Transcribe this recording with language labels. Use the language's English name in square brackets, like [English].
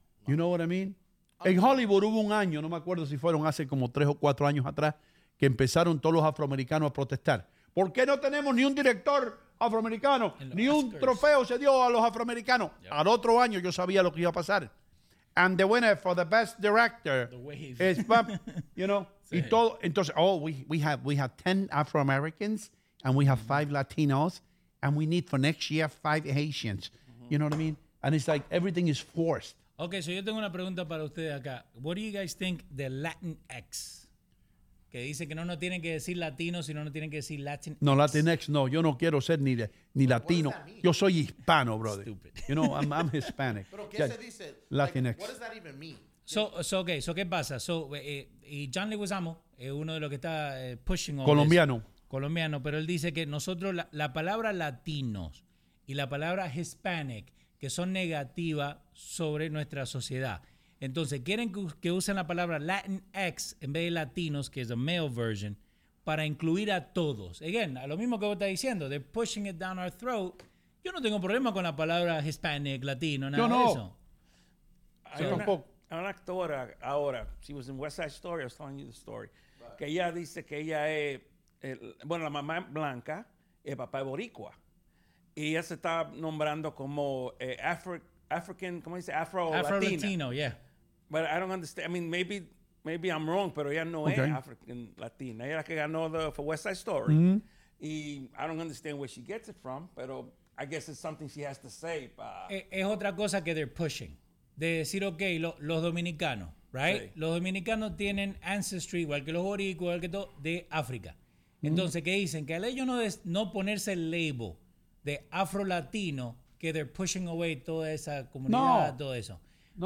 [English] You know what I mean? [Spanish] En Hollywood hubo un año, no me acuerdo si fueron hace como 3 o 4 años atrás, que empezaron todos los afroamericanos a protestar. ¿Por qué no tenemos ni un director afroamericano? Ni un trofeo se dio a los afroamericanos. Yep. Al otro año yo sabía lo que iba a pasar. [English] And the winner for the best director is, you know, [Spanish] sí. Y todo, entonces, [English] we have 10 Afro-Americans and we have 5 Latinos and we need for next year 5 Haitians. Mm-hmm. You know what I mean? And it's like everything is forced. Okay, [Spanish] so yo tengo una pregunta para ustedes acá. [English] What do you guys think the Latinx? [Spanish] Que dice que no tienen que decir Latino, sino no tienen que decir Latinx. No, Latinx, no. Yo no quiero ser ni Latino. Yo soy hispano, brother. [English] Stupid. You know, I'm Hispanic. [Spanish] Pero ¿qué se dice? Latinx. [English] Like, what does that even mean? [Spanish] So, ¿qué pasa? So, y John Leguizamo es uno de los que está [English] pushing on [Spanish] Colombiano. [English] This. [Spanish] Colombiano, pero él dice que nosotros, la palabra latinos y la palabra Hispanic, que son negativas sobre nuestra sociedad. Entonces, quieren que usen la palabra Latinx en vez de latinos, que es [English] a male version, [Spanish] para incluir a todos. [English] Again, [Spanish] a lo mismo que vos estás diciendo, [English] they're pushing it down our throat. [Spanish] Yo no tengo problema con la palabra Hispanic, latino, nada yo no. De eso. Yo tampoco. [English] An actor, ahora, she was in West Side Story, I was telling you the story. Right. [Spanish] Que ella dice que ella es, bueno, la mamá es blanca, el papá es boricua. Y ella se está nombrando como African, ¿cómo dice? Afro-Latino, yeah. [English] But I don't understand, I mean, maybe I'm wrong, [Spanish] pero ella no es [English] African-Latina. [Spanish] Ella es la que ganó for West Side Story. Mm-hmm. [English] Y I don't understand where she gets it from, pero I guess it's something she has to say. [Spanish] Es otra cosa que they're pushing. De decir, ok, los dominicanos, right? Sí. Los dominicanos tienen ancestry, igual que los boricuas, igual que todo, de África. Mm-hmm. Entonces, ¿qué dicen? Que al ellos no ponerse el label de afro-latino, que [English] they're pushing away [Spanish] toda esa comunidad, no, todo eso. No.